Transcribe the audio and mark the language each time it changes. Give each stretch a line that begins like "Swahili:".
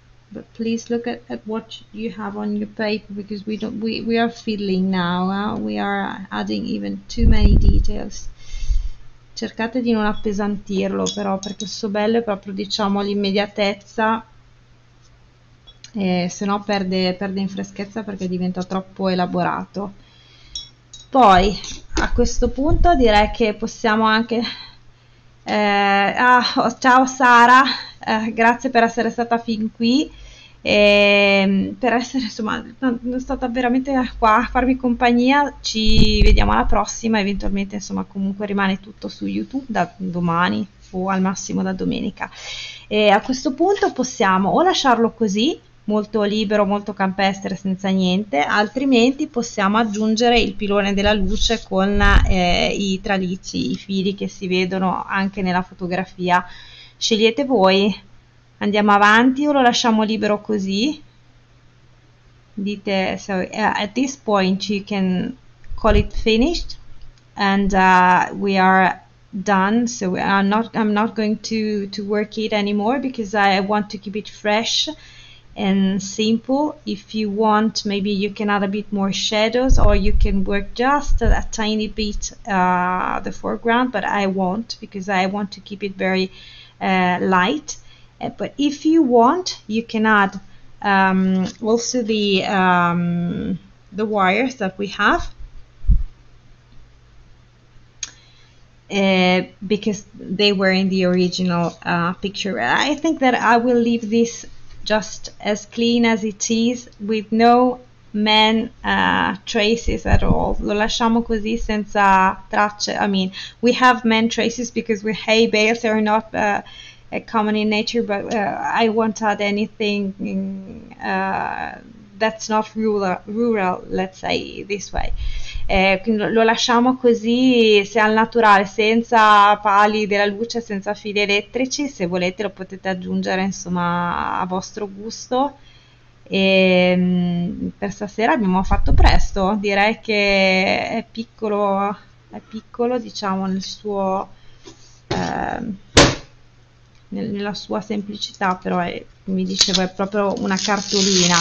English: But please look at what you have on your paper, because we are fiddling now, we are adding even too many details.
Italian: Cercate di non appesantirlo però, perché il suo bello è proprio, diciamo, l'immediatezza, e se no perde in freschezza perché diventa troppo elaborato. Poi a questo punto direi che possiamo anche ciao Sara, grazie per essere stata fin qui e per essere, insomma, stata veramente qua a farmi compagnia. Ci vediamo alla prossima, eventualmente, insomma, comunque rimane tutto su YouTube da domani o al massimo da domenica. E a questo punto possiamo o lasciarlo così, molto libero, molto campestre, senza niente, altrimenti possiamo aggiungere il pilone della luce con i tralicci, i fili che si vedono anche nella fotografia. Scegliete voi. Andiamo avanti o lo lasciamo libero così?
English: Dite, so, at this point you can call it finished and we are done. So I'm not going to work it anymore because I want to keep it fresh and simple. If you want, maybe you can add a bit more shadows or you can work just a tiny bit the foreground, but I won't because I want to keep it very light. But if you want, you can add also the wires that we have, because they were in the original picture. I think that I will leave this just as clean as it is, with no man traces at all.
Italian: Lo lasciamo così senza tracce.
English: I mean, we have man traces because we hay bales are not common in nature, but I won't add anything that's not rural, let's say this way.
Italian: Quindi lo lasciamo così, se al naturale, senza pali della luce, senza fili elettrici. Se volete, lo potete aggiungere, insomma, a vostro gusto. E per stasera abbiamo fatto presto, direi che è piccolo, diciamo, nella sua semplicità, però mi dicevo, è proprio una cartolina.